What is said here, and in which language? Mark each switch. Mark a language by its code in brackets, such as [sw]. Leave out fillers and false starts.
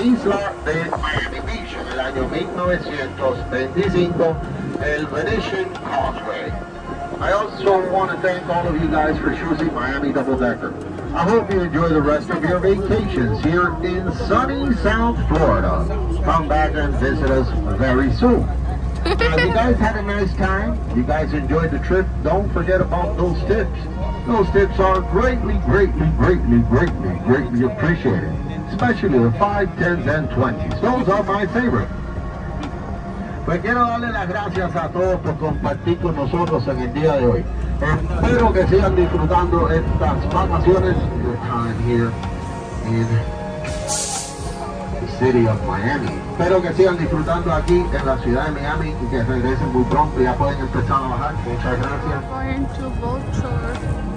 [es] isla de Miami Beach en el año 1925, el Venetian Causeway. [en] I also want to thank all of you guys for choosing Miami Double Decker. I hope you enjoy the rest of your vacations here in sunny South Florida. Come back and visit us very soon. You guys had a nice time. You guys enjoyed the trip. Don't forget about those tips. Those tips are greatly, greatly, greatly, greatly, greatly appreciated. Especially the 5, 10s, and 20s. Those are my favorite. [es] Pues quiero darle las gracias a todos por compartir con nosotros en el día de hoy. Espero que sigan disfrutando estas vacaciones. [en] Your time here in the city of Miami. [es] Espero que sigan disfrutando aquí en la ciudad de Miami y que regresen muy pronto y ya pueden empezar a bajar. Muchas gracias.